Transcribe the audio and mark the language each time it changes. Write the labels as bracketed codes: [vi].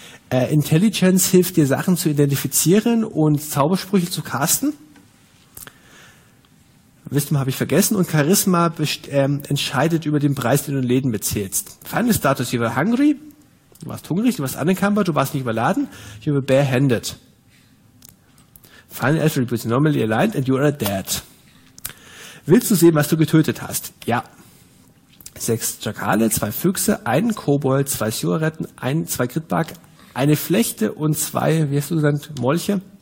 [de] Intelligence hilft dir, Sachen zu identifizieren und Zaubersprüche zu casten. Wisdom habe ich vergessen. Und Charisma entscheidet über den Preis, den du in Läden bezahlst. [en] Final Status, you were hungry. [de] Du warst hungrig, du warst unencumbered, du warst nicht überladen. [en] You were barehanded. Final Attributes, normally aligned and you are dead. [de] Willst du sehen, was du getötet hast? Ja. 6 Jackale, 2 Füchse, 1 Kobold, 2 Sioretten, 2 Gritbark, eine Flechte und 2, wie hast du gesagt, Molche?